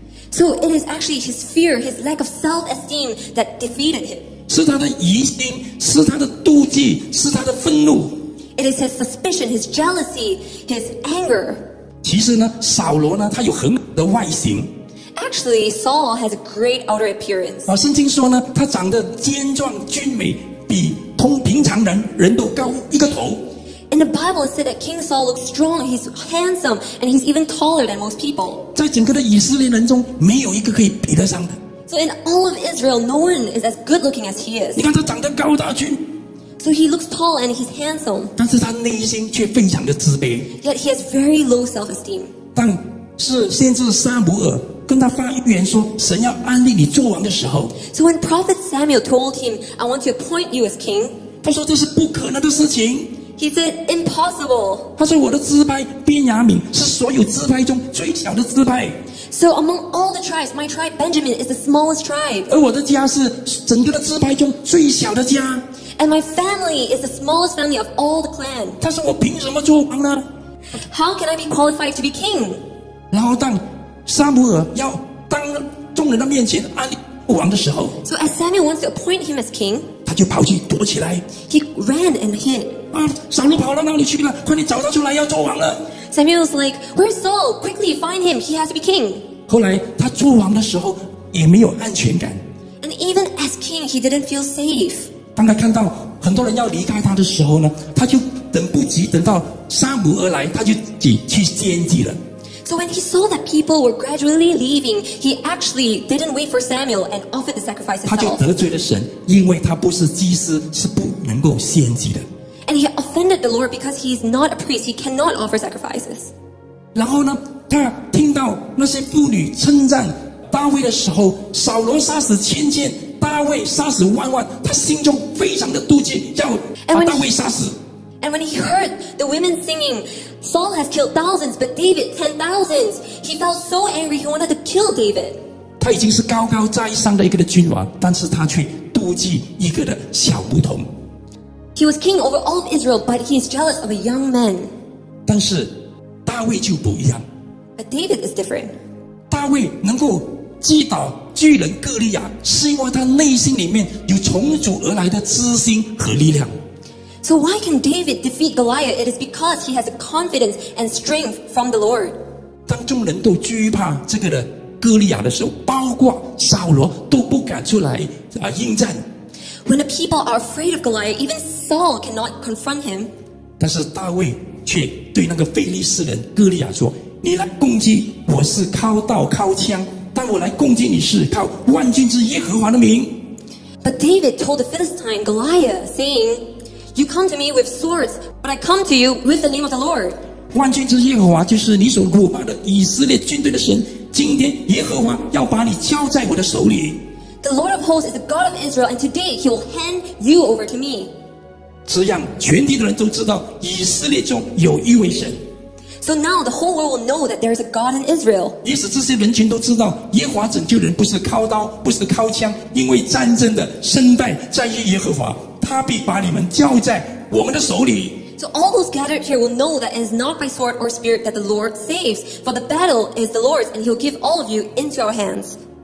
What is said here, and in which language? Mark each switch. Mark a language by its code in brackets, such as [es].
[en] So it is actually his fear, his lack of self-esteem that defeated him. [zh] 是他的疑心，是他的妒忌，是他的愤怒。 [en] It is his suspicion, his jealousy, his anger. [zh] 其实呢，扫罗呢，他有很好的外形。 [en] Actually, Saul has a great outer appearance. [zh] 圣经说呢，他长得健壮俊美，比通平常人都高一个头。 [en] In the Bible, it said that King Saul looks strong, he's handsome, and he's even taller than most people. [zh] 在整个的以色列人中，没有一个可以比得上的。 [en] So in all of Israel, no one is as good looking as he is. [zh] 你看他长得高大俊。 [en] So he looks tall and he's handsome. [zh] 但是他内心却非常的自卑。 [en] Yet he has very low self-esteem. [zh] 但是先知撒母耳跟他发预言说，神要安立你作王的时候。 [en] So when Prophet Samuel told him, I want to appoint you as king. [zh] 他说这是不可能的事情。 [en] He said, impossible. [zh] 他说我的支派便雅悯是所有支派中最小的支派。 [en] So among all the tribes, my tribe Benjamin is the smallest tribe. [zh] 而我的家是整个的支派中最小的家。 [en] And my family is the smallest family of all the clan. [zh] 他说我凭什么做王呢？ [en] How can I be qualified to be king? [zh] 然后当撒母耳要当众人的面前安立王的时候， [en] So as Samuel wants to appoint him as king, [zh] 他就跑去躲起来。 [en] He ran and hid. [zh] 啊，扫罗跑到哪里去了？快点找他出来，要做王了。 [en] Samuel's like, Where's Saul? Quickly find him. He has to be king. [zh] 后来他做王的时候也没有安全感。 [en] And even as king, he didn't feel safe. [zh] 当他看到很多人要离开他的时候呢，他就等不及，等到撒母耳来，他就去献祭了。 [en] So when he saw that people were gradually leaving, he actually didn't wait for Samuel and offered the sacrifice himself. [zh] 他就得罪了神，因为他不是祭司，是不能够献祭的。 [en] And he offended the Lord because he is not a priest. He cannot offer sacrifices. [zh] 然后呢，他听到那些妇女称赞大卫的时候，扫罗杀死千千，大卫杀死万万，他心中非常的妒忌，要把大卫杀死。 [en] And when he heard the women singing, Saul has killed thousands, but David, 10,000s, he felt so angry, he wanted to kill David. [zh] 他已经是高高在上的一个的君王，但是他却妒忌一个的小牧童。 [en] He was king over all of Israel, but he is jealous of a young man. [zh] 但是大卫就不一样。 [en] But David is different. [zh] 大卫能够击倒巨人哥利亚，是因为他内心里面有从主而来的知心和力量。 [en] So why can David defeat Goliath? It is because he has a confidence and strength from the Lord. [zh] 当众人都惧怕这个的哥利亚的时候，包括扫罗都不敢出来啊应战。 [en] When the people are afraid of Goliath, even Saul cannot confront him. [zh] 但是大卫却对那个非利士人哥利亚说：“你来攻击我是靠刀靠枪，但我来攻击你是靠万军之耶和华的名。” [en] But David told the Philistine Goliath, saying. You come to me with swords, but I come to you with the name of the Lord. [zh] 万军之耶和华就是你所辱骂的以色列军队的神。今天耶和华要把你交在我的手里。 [en] The Lord of hosts is the God of Israel, and today He will hand you over to me. [zh] 这样全地的人都知道以色列中有一位神。 [en] So now the whole world will know that there is a God in Israel. [zh] 也使这些人群都知道耶和华拯救人不是靠刀，不是靠枪，因为战争的胜败在于耶和华。他必把你们交在我们的手里。 [en] So all those gathered here will know that it is not by sword or spear that the Lord saves, for the battle is the Lord's, and He will give all of you into our hands.